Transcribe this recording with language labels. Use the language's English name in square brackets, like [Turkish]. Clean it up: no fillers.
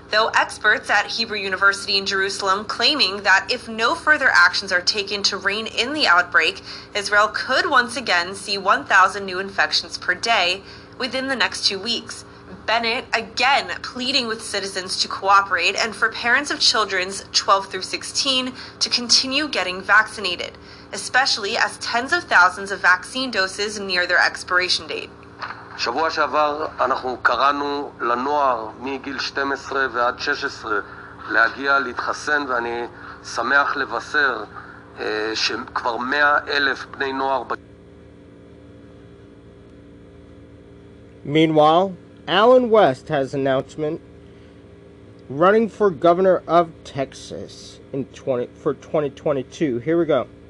[English] Though experts at Hebrew University in Jerusalem claiming that if no further actions are taken to rein in the outbreak, Israel could once again see 1,000 new infections per day within the next 2 weeks. Bennett again pleading with citizens to cooperate and for parents of children 12 through 16 to continue getting vaccinated, especially as tens of thousands of vaccine doses near their expiration date. [Hebrew] שבוע שעבר אנחנו קראנו לנוער מגיל 12 ועד 16 להגיע להתחסן, ואני שמח לבשר שכבר 100,000 בני נוער. [English] Meanwhile, Alan West has an announcement running for governor of Texas for 2022. Here we go.